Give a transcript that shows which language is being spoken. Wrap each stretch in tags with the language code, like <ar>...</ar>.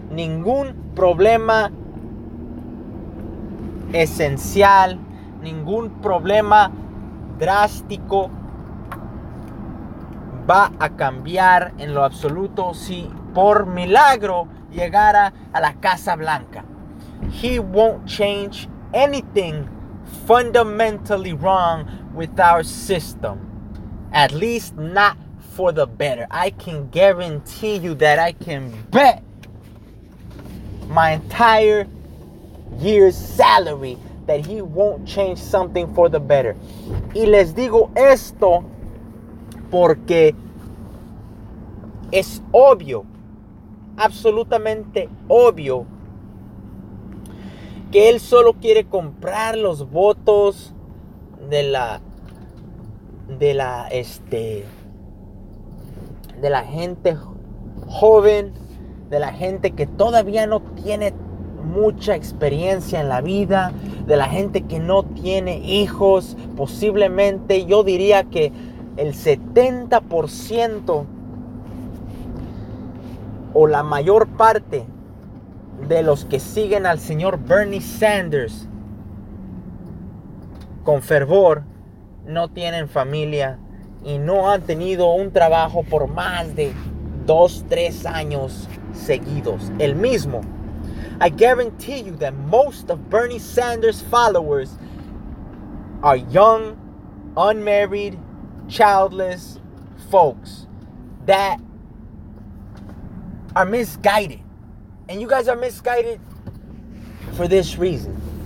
<es>Ningún problema esencial, ningún problema drástico va a cambiar en lo absoluto si por milagro llegara a la Casa Blanca.</es> <en>He won't change anything fundamentally wrong with our system. At least not for the better. I can guarantee you that. I can bet my entire year's salary that he won't change something for the better.</en> <es>Y les digo esto porque es obvio, absolutamente obvio, que él solo quiere comprar los votos de la gente joven, de la gente que todavía no tiene mucha experiencia en la vida, de la gente que no tiene hijos. Posiblemente yo diría que el 70% o la mayor parte de los que siguen al señor Bernie Sanders con fervor no tienen familia y no han tenido un trabajo por más de 2, 3 años seguidos. El mismo.</es> <en>I guarantee you that most of Bernie Sanders' followers are young, unmarried, childless folks that are misguided. And you guys are misguided for this reason.</en>